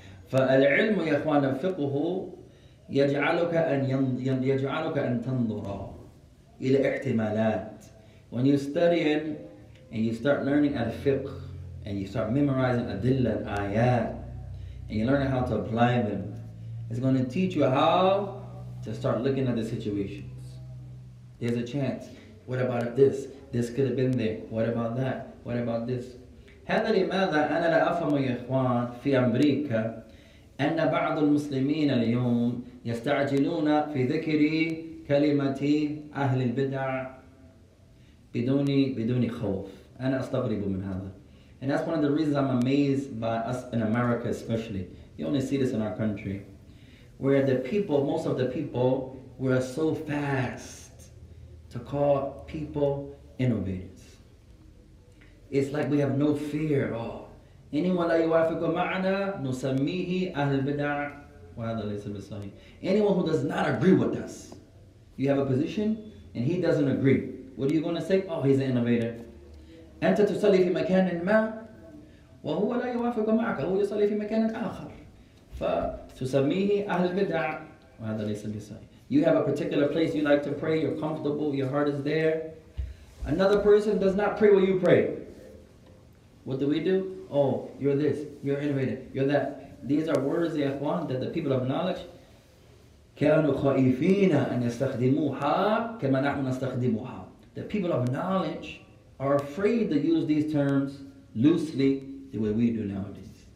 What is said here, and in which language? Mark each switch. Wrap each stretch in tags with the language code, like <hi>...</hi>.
<ar>فالعلم يا اخوان فقه يجعلك ان يجعلك ان تنظر الى احتمالات.</ar> <en>When you study and you start learning al-fiqh and you start memorizing adilla al-ayat and you learn how to apply them, it's going to teach you how to start looking at the situations. There's a chance. What about this? This could have been there. What about that? What about this?</en> <ar>هذا لماذا أنا لا أفهم يا إخوان في أمريكا أن بعض المسلمين اليوم يستعجلون في ذكر كلمة أهل البدع بدون خوف. أنا أستغرب من هذا.</ar> <en>And that's one of the reasons I'm amazed by us in America especially. You only see this in our country. Where the people, most of the people, were so fast to call people innovators. It's like we have no fear. Oh, anyone that</en> <ar>يوافق معنا نسميه أهل البدع. وهذا ليس بالصحيح.</ar> <en>Anyone who does not agree with us, you have a position and he doesn't agree. What are you going to say? Oh, he's an innovator.</en> <ar>أنت تصلي في مكان ما وهو لا يوافق معك هو يصلي في مكان آخر. فتسميه أهل البدع. وهذا ليس بالصحيح.</ar> <en>You have a particular place you like to pray. You're comfortable. Your heart is there. Another person does not pray what you pray. What do we do? Oh, you're this, you're innovative, you're that. These are words,</en> <ar>يا إخوان,</ar> <en>that the people of knowledge</en> <ar>كانوا خائفين أن يستخدموها كما نحن نستخدموها.</ar> <en>The people of knowledge are afraid to use these terms loosely the way we do nowadays.</en>